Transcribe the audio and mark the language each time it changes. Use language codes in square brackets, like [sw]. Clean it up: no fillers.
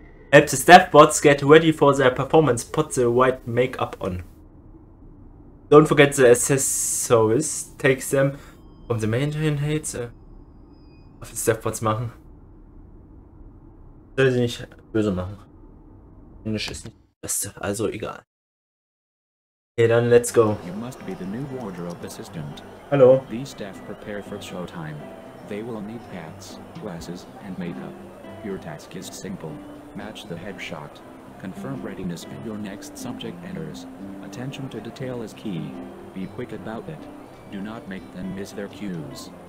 [en] Help the staff bots get ready for their performance. Put the white makeup on. Don't forget the accessories. Take them from the maintenance hates. [de] Auf die Stepbots machen. Soll sie nicht böse machen. Englisch ist nicht das Beste, also egal. Okay, dann [en] let's go. You must be the new wardrobe assistant. [de] Hallo. [en] These staff prepare for showtime. They will need hats, glasses and makeup. Your task is simple. Match the headshot. Confirm readiness and your next subject enters. Attention to detail is key. Be quick about it. Do not make them miss their cues.